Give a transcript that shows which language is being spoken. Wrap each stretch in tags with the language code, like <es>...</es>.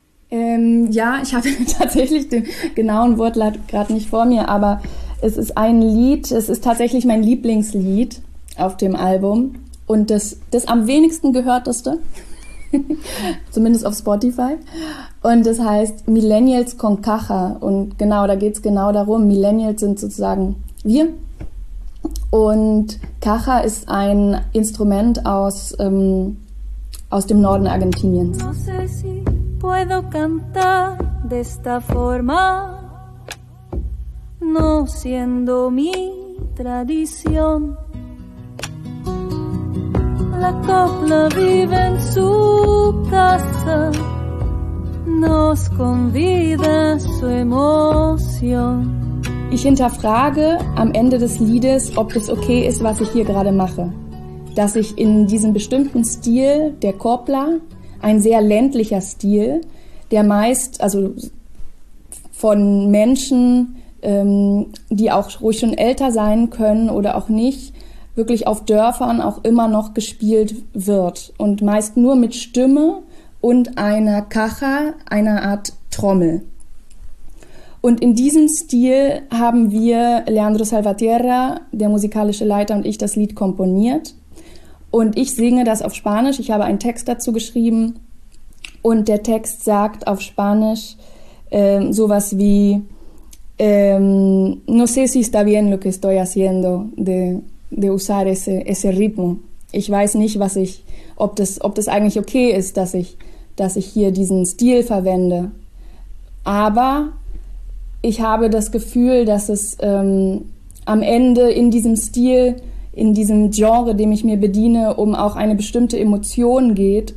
<de>Ja, ich habe tatsächlich den genauen Wortlaut gerade nicht vor mir, aber es ist ein Lied, es ist tatsächlich mein Lieblingslied auf dem Album und das am wenigsten gehörteste, zumindest auf Spotify. Und das heißt Millennials con Caja, und genau, da geht es genau darum. Millennials sind sozusagen wir. Und Caja ist ein Instrument aus dem Norden Argentiniens.</de> <es>No sé si puedo cantar de esta forma, no siendo mi tradición. La copla vive en su casa, nos convida su emoción.</es> <de>Ich hinterfrage am Ende des Liedes, ob das okay ist, was ich hier gerade mache. Dass ich in diesem bestimmten Stil der Copla, ein sehr ländlicher Stil, der meist also von Menschen, die auch ruhig schon älter sein können oder auch nicht, wirklich auf Dörfern auch immer noch gespielt wird. Und meist nur mit Stimme und einer Caja, einer Art Trommel. Und in diesem Stil haben wir, Leandro Salvatierra, der musikalische Leiter, und ich das Lied komponiert. Und ich singe das auf Spanisch. Ich habe einen Text dazu geschrieben. Und der Text sagt auf Spanisch sowas wie</de> <es>No sé si está bien lo que estoy haciendo de usar ese ritmo.</es> <de>Ich weiß nicht, ob das eigentlich okay ist, dass ich hier diesen Stil verwende. Aber ich habe das Gefühl, dass es am Ende in diesem Stil, in diesem Genre, dem ich mir bediene, um auch eine bestimmte Emotion geht.</de>